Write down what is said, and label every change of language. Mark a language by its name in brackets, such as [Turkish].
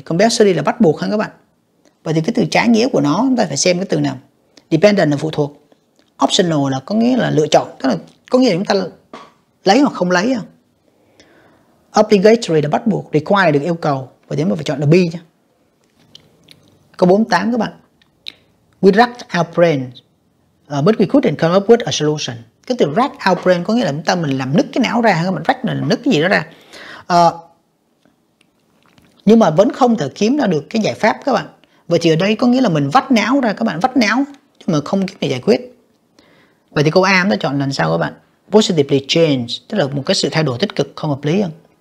[Vietnamese] Compulsory là bắt buộc hả các bạn. Vậy thì cái từ trái nghĩa của nó chúng ta phải xem cái từ nào. Dependent là phụ thuộc. Optional là có nghĩa là lựa chọn. Tức là có nghĩa là chúng ta lấy hoặc không lấy. Obligatory là bắt buộc. Required được yêu cầu. Vậy thì chúng ta phải chọn là B nha. Câu 48 các bạn. [English] We racked our brains, but we couldn't come up with a solution. [Vietnamese] Cái từ racked our brain có nghĩa là chúng ta mình làm nứt cái não ra, mình racked là nứt cái gì đó ra. Nhưng mà vẫn không thể kiếm ra được cái giải pháp các bạn. Vậy thì ở đây có nghĩa là mình vắt não ra các bạn, vắt não, nhưng mà không kiếm để giải quyết. Vậy thì câu A chúng ta chọn lần sau các bạn. [English] Positively change, [Vietnamese] tức là một cái sự thay đổi tích cực, không hợp lý không?